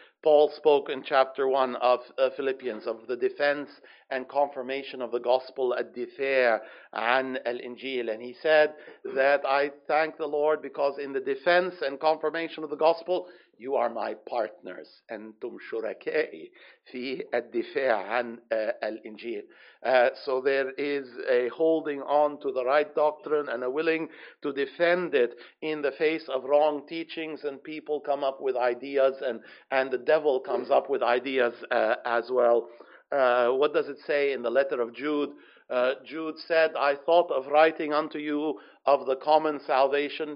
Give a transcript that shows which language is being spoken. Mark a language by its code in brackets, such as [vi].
[en] Paul spoke in chapter 1 of Philippians of the defense and confirmation of the gospel, [ar] الدفاع عن الإنجيل. [en] And he said that I thank the Lord because in the defense and confirmation of the gospel, you are my partners. [ar] أنتم شركائي في الدفاع عن الإنجيل. [en] So there is a holding on to the right doctrine and a willing to defend it in the face of wrong teachings, and people come up with ideas and the devil comes up with ideas as well. What does it say in the letter of Jude? Jude said, I thought of writing unto you of the common salvation.